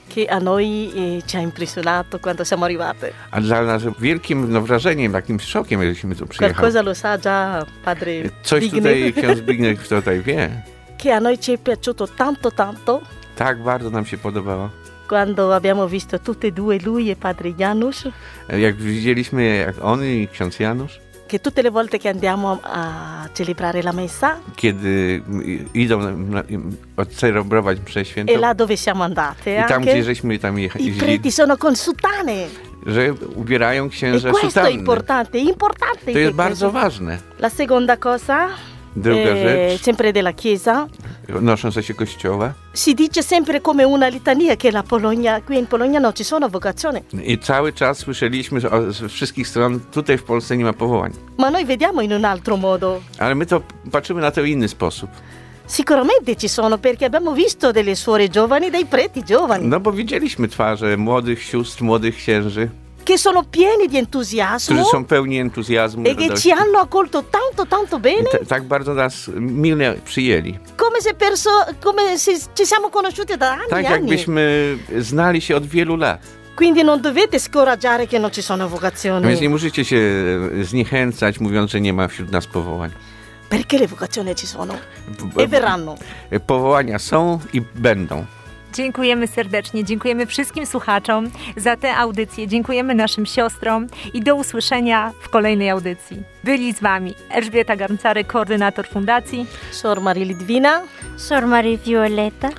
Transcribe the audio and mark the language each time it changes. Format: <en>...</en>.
<it>Che a noi ci ha impressionato quando siamo arrivate.</it> <pl>A dla nas wielkim wrażeniem, takim szokiem, jakbyśmy tu przyjechali.</pl> <it>Qualcosa lo sa già padre Zbigniew.</it> <pl>Coś tutaj ksiądz Zbigniew tutaj wie.</pl> <it>Che a noi ci è piaciuto tanto, tanto.</it> <pl>Tak bardzo nam się podobało.</pl> <it>Quando abbiamo visto tutti e due, lui e padre Janusz.</it> <pl>Jak widzieliśmy, jak on i ksiądz Janusz.</pl> <it>Che tutte le volte che andiamo a celebrare la messa.</it> <pl>Kiedy idą odcelebrować prześwięto.</pl> <it>E là dove siamo andate.</it> <pl>I tam, gdzie żeśmy tam jechali.</pl> <it>I preti sono con sutane.</it> <pl>Że ubierają księża sutanny.</pl> <it>Questo è importante, importante.</it> <pl>To jest bardzo ważne.</pl> <it>La seconda cosa.</it> <pl>Druga rzecz.</pl> <it>Sempre della chiesa.</it> <pl>Nosząca się kościoła.</pl> <it>Si dice sempre come una litania che la Polonia, qui in Polonia non ci sono vocazioni.</it> <pl>I cały czas słyszeliśmy z wszystkich stron, tutaj w Polsce nie ma powołań.</pl> <it>Ma noi vediamo in un altro modo.</it> <pl>Ale my to patrzymy na to w inny sposób.</pl> <it>Sicuramente ci sono, perché abbiamo visto delle suore giovani, dei preti giovani.</it> <pl>No bo widzieliśmy twarze młodych sióstr, młodych księży.</pl> <it>Che sono pieni di entusiasmo.</it> <pl>Którzy są pełni entuzjazmu</pl> <it>e che ci hanno accolto tanto, tanto bene.</it> <pl>Tak bardzo nas mile przyjęli.</pl> <it>Come se ci siamo conosciuti da anni.</it> <pl>Tak jakbyśmy znali się od wielu lat.</pl> <it>Quindi non dovete scoraggiare che non ci sono vocazioni.</it> <pl>Więc nie musicie się zniechęcać, mówiąc, że nie ma wśród nas powołań.</pl> <it>Perché le vocazioni ci sono e verranno.</it> <pl>Powołania są i będą. Dziękujemy serdecznie, dziękujemy wszystkim słuchaczom za tę audycję, dziękujemy naszym siostrom i do usłyszenia w kolejnej audycji. Byli z wami Elżbieta Garncary, koordynator fundacji, Sor Maria Lidwina, Sor Maria Violeta</pl>